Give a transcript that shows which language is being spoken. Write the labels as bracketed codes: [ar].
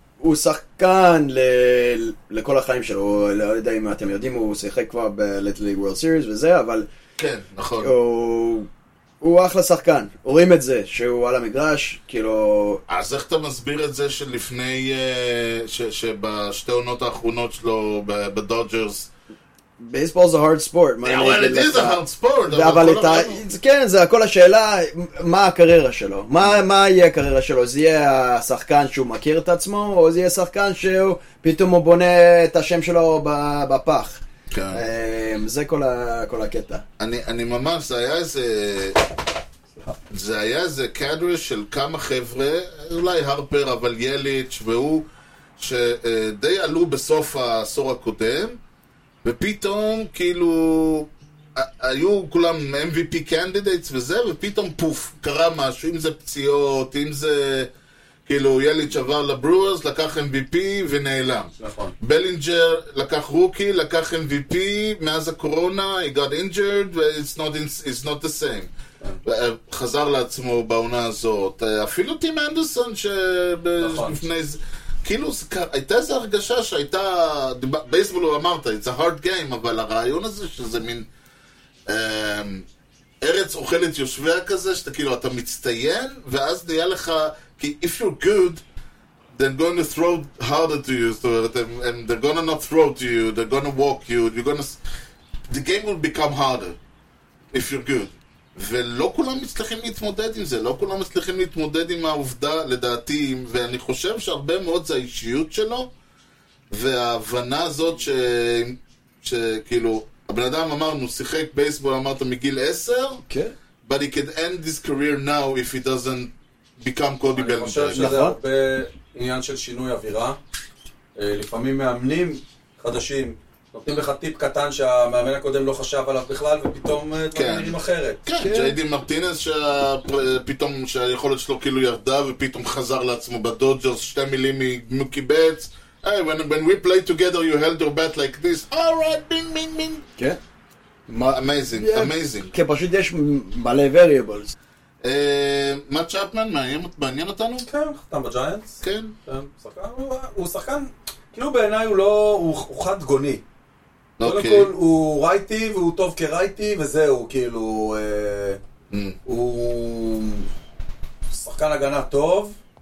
[he] הוא שחקן לכל החיים שלו, לא יודע אם אתם יודעים, הוא שיחק כבר ב-Little League World Series וזה, אבל... כן, נכון. הוא אחלה שחקן, רואים את זה, שהוא על המגרש, כאילו... אז איך אתה מסביר את זה שלפני, שבשתי עונות האחרונות שלו בדודג'רס? [en] Baseball is a hard sport. Yeah, well, it is a hard sport. [he] אבל את ה... כן, זה הכל השאלה, מה הקריירה שלו? מה יהיה הקריירה שלו? זה יהיה השחקן שהוא מכיר את עצמו, או זה יהיה שחקן שהוא פתאום הוא בונה את השם שלו בפח? כן. זה כל הקטע. אני ממש, זה היה איזה... זה היה איזה קדרה של כמה חבר'ה, אולי הרפר, אבל יליץ' והוא, שדי עלו בסוף העשור הקודם, ופתאום, כאילו, היו כולם MVP candidates וזה, ופתאום פוף, קרה משהו, אם זה פציעות, אם זה כאילו יליץ' עבר לברוורס, לקח MVP ונעלם. נכון. בלינג'ר לקח רוקי, לקח MVP, מאז הקורונה, [en] he got injured, it's not the same. [he] חזר לעצמו בעונה הזאת. אפילו טים אנדרסון שבפני... כאילו, הייתה איזו הרגשה שהייתה... בייסבול הוא אמרת, [en] it's a hard game, [he] אבל הרעיון הזה שזה מין... ארץ אוכלת יושביה כזה, שאתה כאילו, אתה מצטיין, ואז נהיה לך... [en] כי if you're good, they're going to throw harder to you, so that they're going to not throw to you, they're going to walk you, you're going to... The game will become harder, if you're good. [he] ולא כולם מצליחים להתמודד עם זה, לא כולם מצליחים להתמודד עם העובדה, לדעתי, ואני חושב שהרבה מאוד זה האישיות שלו, וההבנה הזאת ש... שכאילו, הבן אדם אמרנו, שיחק בייסבול, אמרת מגיל 10, [en] okay. But he could end his career now if he doesn't ביקם קודי בלנדר. [he] אני חושב שזה הרבה עניין של שינוי אווירה. לפעמים מאמנים חדשים נותנים לך טיפ קטן שהמאמן הקודם לא חשב עליו בכלל, ופתאום דברים אחרת. כן, ג'יידי מרטינס שפתאום שהיכולת שלו כאילו ירדה ופתאום חזר לעצמו בדוג'רס, שתי מילים ממוקי בטס. [en] Hey, when we play together you held your bat like this. All right, bing, bing, bing. [he] כן. [en] Amazing, amazing. [he] כן, פשוט יש מלא variables. מאט צ'אפמן, מעניין אותנו? כן, חתם בג'יינטס. כן. שחקן, הוא שחקן, כאילו בעיניי הוא לא, הוא חד גוני. אוקיי. כל הכל, הוא רייטי והוא טוב כרייטי וזהו, כאילו, הוא שחקן הגנה טוב.